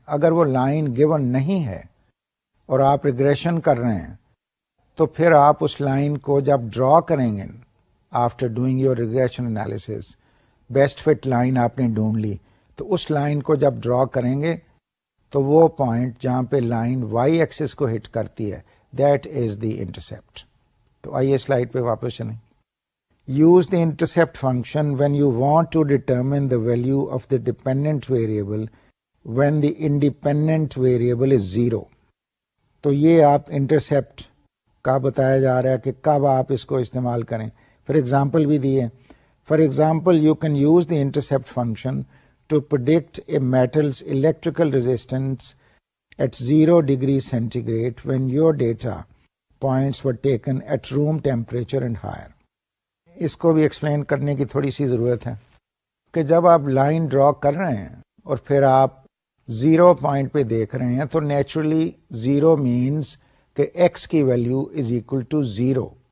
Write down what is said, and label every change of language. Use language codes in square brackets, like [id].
[ur] اگر وہ line given نہیں ہے اور آپ ریگریشن کر رہے ہیں تو پھر آپ اس لائن کو جب ڈرا کریں گے [en] after doing your regression analysis [ur] best fit line آپ نے ڈھونڈ لی تو اس لائن کو جب ڈرا کریں گے تو وہ پوائنٹ جہاں پہ لائن وائی ایکسس کو ہٹ کرتی ہے [en] That is the intercept. [ur] تو آئیے سلائڈ پہ واپس چلیں. [en] Use the intercept function when you want to determine the value of the dependent variable when the independent variable is zero. [ur] تو یہ آپ انٹرسیپٹ کا بتایا جا رہا ہے کہ کب آپ اس کو استعمال کریں. [en] for example [ur] بھی دیے [en] For example, you can use the intercept function to predict a metal's electrical resistance at 0°C when your data points were taken at room temperature and higher. [ur] اس کو بھی ایکسپلین کرنے کی تھوڑی سی ضرورت ہے کہ جب آپ لائن ڈرا کر رہے ہیں اور پھر آپ زیرو پوائنٹ پہ دیکھ رہے ہیں تو نیچرلی زیرو مینس کہ ایکس کی value [en] Is equal to zero.